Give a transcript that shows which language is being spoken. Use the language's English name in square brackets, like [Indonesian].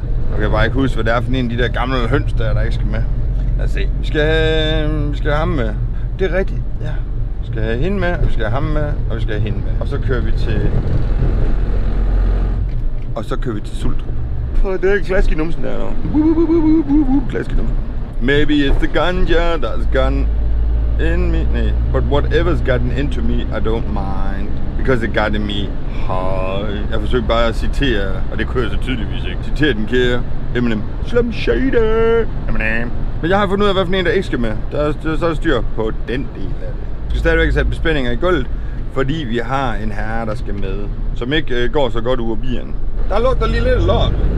[Danish] Og jeg kan bare ikke huske, hvad det er for en af de der gamle høns, der ikke skal med. Lad os se. Vi skal have ham med. Det er rigtigt, ja. Vi skal have hende med, og vi skal have ham med, og vi skal have hende med. Og så kører vi til... Og så kører vi til Sultrup. Prøv, det er ikke klask i numsen der, dog. Klask i numsen. [English] Maybe it's the ganja, that's gone in me. Nej, but whatever's gotten into me, I don't mind. Because it got in me high. [Danish] Jeg forsøgte bare at citere, og det kører så tydeligvis ikke. Citere den kære Eminem. Slum Shady. Eminem. Men jeg har fundet ud af, hvad for en, der ikke skal med. Der er så styr på den del af det. Vi skal stadigvæk sætte bespændinger i gulvet, fordi vi har en herre, der skal med. Som ikke går så godt ud af bilen. Der lugter lige lidt lort.